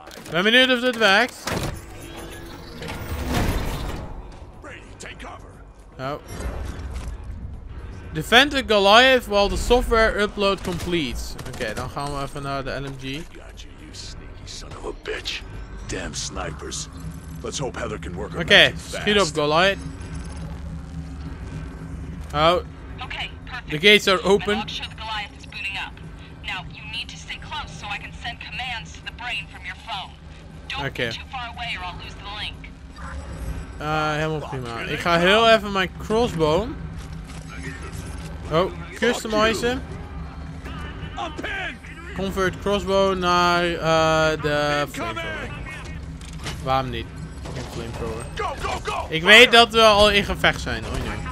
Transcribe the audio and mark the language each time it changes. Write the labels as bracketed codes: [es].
[nl] Ben benieuwd of dit werkt. [en] Brady, take cover. Oh. Defend the Goliath while the software upload completes. [nl] Oké, dan gaan we even naar de LMG. [en] Got you, you sneaky son of a bitch. Damn snipers. Let's hope Heather can work. [nl] Oké, [en] speed up, [nl] Goliath. [en] Out. Okay, perfect. The gates are open. I'm not sure the Goliath is booting up. Now, you need to stay close so I can send commands to the brain from your phone. Don't okay. Get too far away or I'll lose the link. [nl] Helemaal prima. Ik ga heel even mijn crossbow. Oh, customizen. Convert crossbow naar de flamethrower. Waarom niet? Fucking flamethrower. Ik weet dat we al in gevecht zijn. Oh, nee.